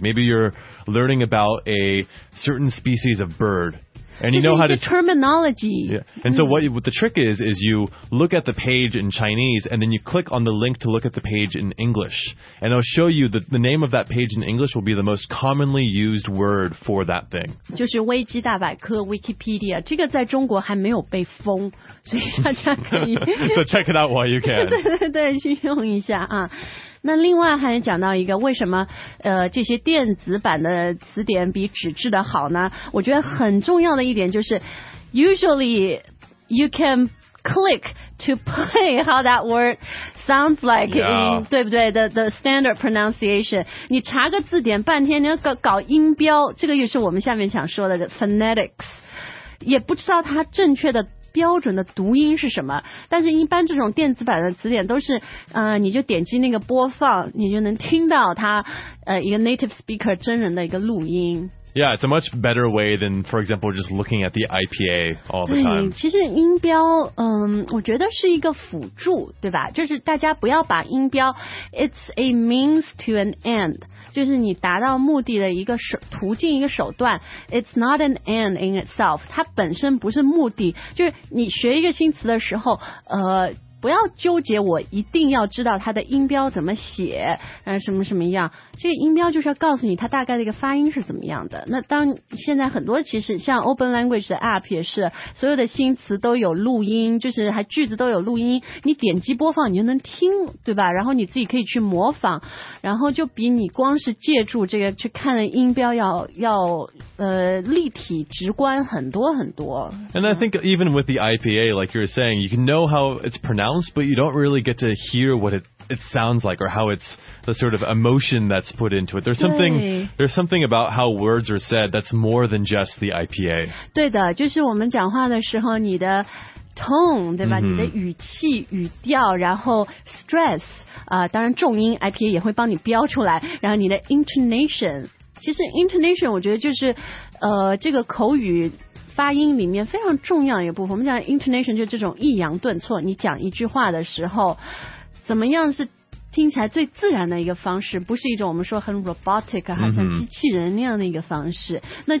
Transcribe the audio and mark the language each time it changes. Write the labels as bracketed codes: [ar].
[en] Maybe you're learning about a certain species of bird. And you know how to terminology. Yeah. And so what the trick is you look at the page in Chinese and then you click on the link to look at the page in English. And it'll show you that the name of that page in English will be the most commonly used word for that thing. [zh] 就是危机大百科 Wikipedia. 这个在中国还没有被封，所以大家可以。 [en] So check it out while you can. [zh] 对对对，去用一下啊。那另外还讲到一个为什么这些电子版的词典比纸质的好呢？我觉得很重要的一点就是 [en] usually you can click to play how that word sounds like、 yeah. [zh] 对不对 [en] the standard pronunciation [zh] 你查个字典半天你要搞音标，这个也是我们下面想说的 phonetics， 也不知道它正确的标准的读音是什么，但是一般这种电子版的词典都是你就点击那个播放你就能听到它一个 native speaker 真人的一个录音。 [en] Yeah, it's a much better way than, for example, just looking at the IPA all the time. [zh] 其实音标我觉得是一个辅助，对吧？就是大家不要把音标 [en] it's a means to an end. [zh] 就是你达到目的的一个途径一个手段 [en] It's not an end in itself [zh] 它本身不是目的就是你学一个新词的时候不要纠结我一定要知道它的音标怎么写什么什么样这个音标就是要告诉你它大概的一个发音是怎么样的那当现在很多其实像 Open Language 的 App 也是所有的新词都有录音就是还句子都有录音你点击播放你就能听对吧然后你自己可以去模仿然后就比你光是借助这个去看的音标要立体直观很多很多 [en] And I think even with the IPA like you're saying you can know how it's pronounced but you don't really get to hear what it sounds like or how it's the sort of emotion that's put into it there's something about how words are said that's more than just the IPA [zh] 对的就是我们讲话的时候你的tone 对吧、mm-hmm. 你的语气语调然后 stress 当然重音 IPA 也会帮你标出来然后你的 intonation 其实 intonation 我觉得就是这个口语发音里面非常重要一部分我们讲 intonation 就是这种抑扬顿挫你讲一句话的时候怎么样是听起来最自然的一个方式不是一种我们说很 robotic 好像机器人那样的一个方式、mm-hmm.